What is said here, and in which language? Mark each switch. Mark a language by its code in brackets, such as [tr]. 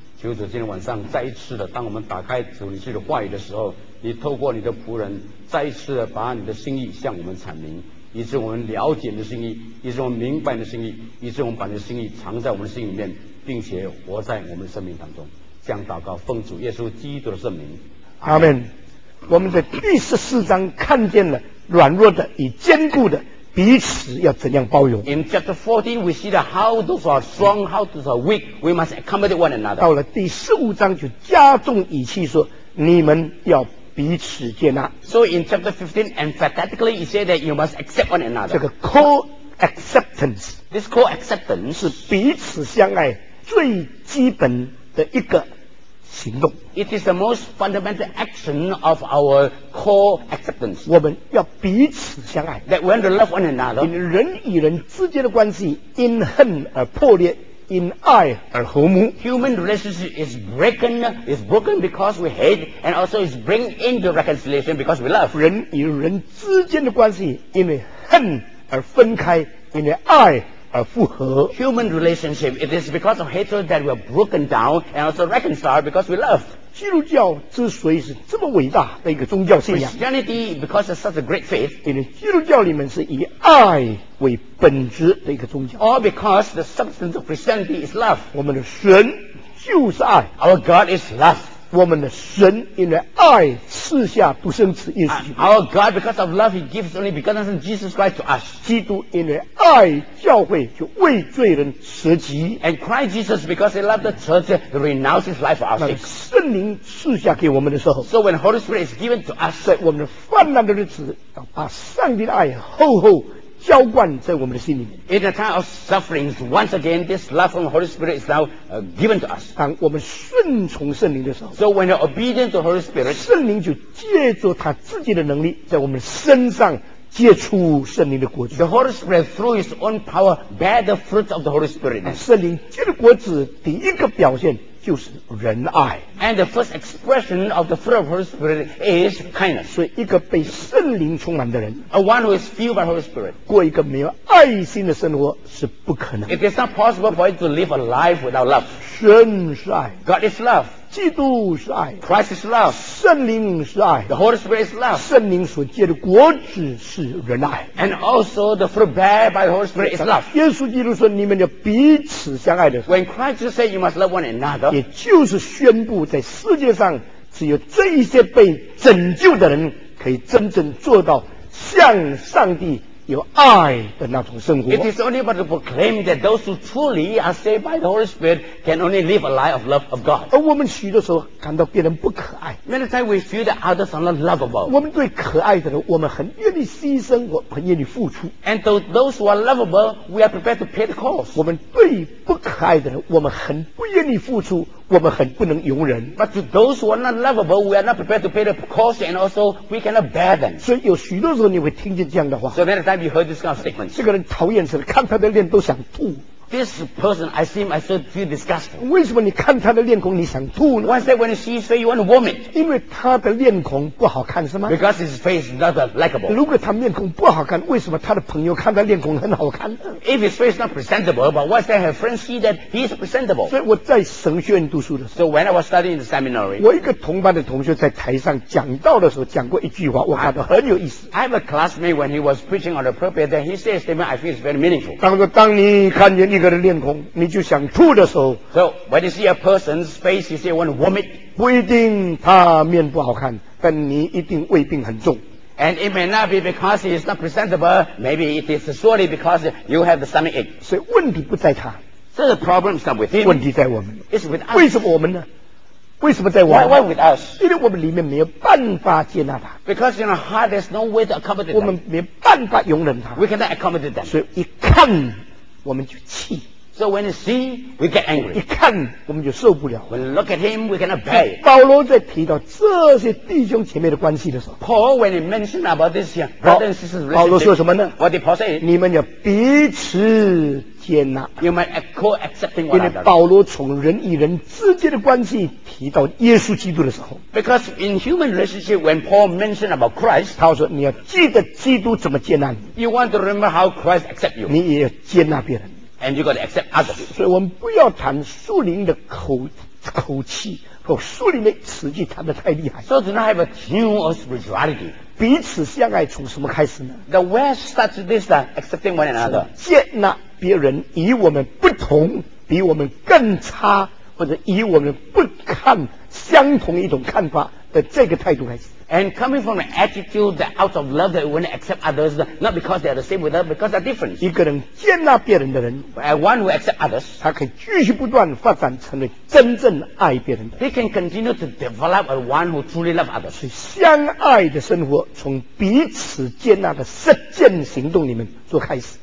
[zh] 求主今天晚上再一次的，当我们打开主你自己的话语的时候，你透过你的仆人再一次的把你的心意向我们阐明，以致我们了解你的心意，以致我们明白你的心意，以致我们把你的心意藏在我们的心里面，并且活在我们的生命当中。这样祷告奉主耶稣基督的圣名，阿们。我们在第十四章看见了软弱的与坚固的彼此要怎样包容。 [en] In chapter 14, we see that how those are strong, how those are weak, we must accommodate one another. [zh] 到了第十五章就加重语气说，你们要彼此接纳。 [en] So in chapter 15, emphatically, he said that you must accept one another. [zh] 这个 co-acceptance, [en] this co-acceptance [zh] 是彼此相爱最基本的一个行动。 [en] It is the most fundamental action of our core acceptance. [zh] 我们要彼此相爱。 [en] That we have to love one another. [zh] 人与人之间的关系因恨而破裂，因爱而和睦。 [en] Human relationship is broken because we hate, and also is bring into reconciliation because we love. [zh] 人与人之间的关系因为恨而分开，因为爱。 [en] Human relationship, it is because of hatred that we are broken down and also reconciled because we love. [zh] 基督教之所以是这么伟大的一个宗教信仰， [en] Christianity because it's such a great faith. [zh] 因为基督教里面是以爱为本质的一个宗教。 [en] All because the substance of Christianity is love. [zh] 我们的神就是爱。 [en] Our God is love. [zh] 我们的神因为爱赐下独生子耶稣。 [en] Our God, because of love, He gives only begotten Son Jesus Christ to us. [zh] 基督因为爱教会，就为罪人舍己。 [en] And Christ Jesus, because He loved the church, renounced His life for our sake. [zh] 圣灵赐下给我们的时候 [en] ，So when Holy Spirit is given to us, [zh] 在我们的泛滥的日子，要把上帝的爱厚厚浇灌在我们的心里面。 [en] In the time of sufferings, once again, this love from the Holy Spirit is now given to us. [zh] 当我们顺从圣灵的时候 [en] ，So when you're obedient to the Holy Spirit, [zh] 圣灵就借助他自己的能力，在我们身上结出圣灵的果子。 [en] The Holy Spirit, through His own power, bear the fruit of the Holy Spirit. [zh] 圣灵结的果子，第一个表现就是仁爱。 [en] And the first expression of the fruit of the Holy Spirit is kindness. [zh] 所以一个被圣灵充满的人 [en] ，A one who is filled by the Holy Spirit, [zh] 过一个没有爱心的生活是不可能。 [en] It is not possible for you to live a life without love. [zh] 神是爱 [en] ，God is love. [zh] 基督是爱 [en] ，Christ is love. [zh] 圣灵是爱 [en] ，The Holy Spirit is love. [zh] 圣灵所结的果子是仁爱 [en] ，And also the fruit bear by the Holy Spirit is love. [zh] 耶稣基督说你们要彼此相爱的。 [en] When Christ said you must love one another, [zh] 也就是宣布在世界上只有这一些被拯救的人可以真正做到向上帝有爱的那种生活。 [en] It is only but to proclaim that those who truly are saved by the Holy Spirit can only live a life of love of God. [zh] 而我们许多时候感到别人不可爱。 [en] Many times we feel that others are not lovable. [zh] 我们对可爱的人，我们很愿意牺牲，我很愿意付出。 [en] And to those who are lovable, we are prepared to pay the cost. [zh] 我们对不可爱的人，我们很不愿意付出，我们很不能容忍。 [en] But to those who are not lovable, we are not prepared to pay the cost, and also we cannot bear them. [zh] 所以有许多时候你会听见这样的话。 [en] So many times you heard this kind of statement. [zh] 这个人讨厌死了，看他的脸都想吐。 [en] This person, I see him, I still feel disgusted. [zh] 为什么你看他的脸孔你想吐呢？ [en] One said when you see his face, you want to vomit. [zh] 因为他的脸孔不好看是吗？ [en] Because his face is not likable. [zh] 如果他面孔不好看，为什么他的朋友看他脸孔很好看？ [en] If his face is not presentable, but once they have friends see that he is presentable. [zh] 所以我在神学院读书的时候， [en] So when I was studying in the seminary, [zh] 我一个同班的同学在台上讲道的时候讲过一句话，我感到很有意思。 [en] I have a classmate when he was preaching on the pulpit, then he said a statement I feel is very meaningful. [zh] 当你看见一个人脸孔你就想吐的时候， [en] So when you see a person's face, you say you want to vomit. [zh] 不一定他面不好看，但你一定胃病很重。 [en] And it may not be because he is not presentable, maybe it is surely because you have the stomach ache. [zh] 所以问题不在他。 [en] So the problem is not with him. [zh] 问题在我们。 [en] It's with us. [zh] 为什么我们呢？为什么在我们？ [en] Why with us? [zh] 因为我们里面没有办法接纳他。 [en] Because in our heart there's no way to accommodate them. [zh] 我们没办法容忍他。 [en] We cannot accommodate them. [zh] 所以一看我们就气。 [en] So when you see, we get angry. [zh] 一看我们就受不了。 [en] When you look at him, we cannot bear. [zh] 保罗在提到这些弟兄姐妹的关系的时候， [en] Paul when he mentioned about this here, brother and sister's relationship, [zh] 保罗说什么呢？ [en] What did Paul say? [zh] 你们要彼此接纳。 [en] You might co-accepting one another. [zh] 因为保罗从人与人之间的关系提到耶稣基督的时候， [en] Because in human relationship, when Paul mentioned about Christ, [zh] 他说你要记得基督怎么接纳你。 [en] You want to remember how Christ accept you. [zh] 你也要接纳别人。 [en] And you got to accept others. [zh] 所以我们不要谈属灵的口气和属灵的词句谈得太厉害。 [en] So do not have a tune of spirituality. [zh] 彼此相爱从什么开始呢？ [en] The way starts this, accepting one another. [zh] 接纳别人与我们不同，比我们更差，或者与我们不看相同一种看法的这个态度开始。 [en] And coming from an attitude that out of love that we want to accept others, not because they are the same with us, because they are different. [zh] 一个人接纳别人的人， [en] one who accept others, [zh] 他可以继续不断发展成为真正爱别人的。 [en] He can continue to develop a one who truly love others. [zh] 所以相爱的生活从彼此接纳的实践行动里面做开始。